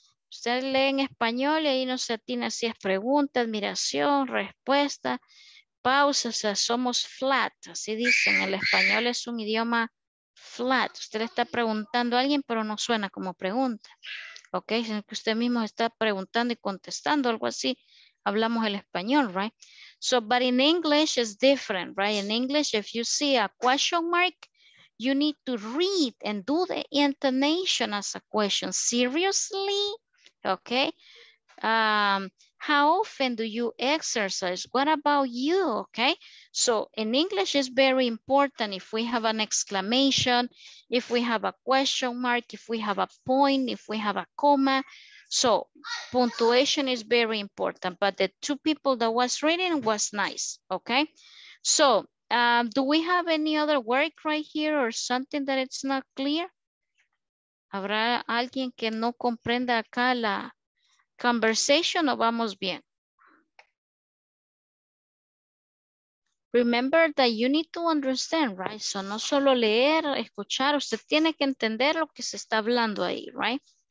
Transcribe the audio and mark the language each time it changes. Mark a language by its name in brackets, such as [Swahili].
[Spanish] Usted lee en español y ahí no se atina si es pregunta, admiración, respuesta, pausa, o sea, somos flat, así dicen. El español es un idioma flat. Usted le está preguntando a alguien, pero no suena como pregunta. Ok, sino que usted mismo está preguntando y contestando, algo así. Hablamos el español, [English] right? So, but in English it's different, right? In English, if you see a question mark, you need to read and do the intonation as a question. Seriously? Okay. How often do you exercise? What about you? Okay. So in English, it's very important if we have an exclamation, if we have a question mark, if we have a point, if we have a comma. So punctuation is very important, but the two people that was reading was nice, okay? So do we have any other work right here or something that it's not clear? [Spanish] ¿Habrá alguien que no comprenda acá la conversation o vamos bien? [English] Remember that you need to understand, [Spanish] right? So no solo leer, escuchar, usted tiene que entender lo que se está hablando ahí, right?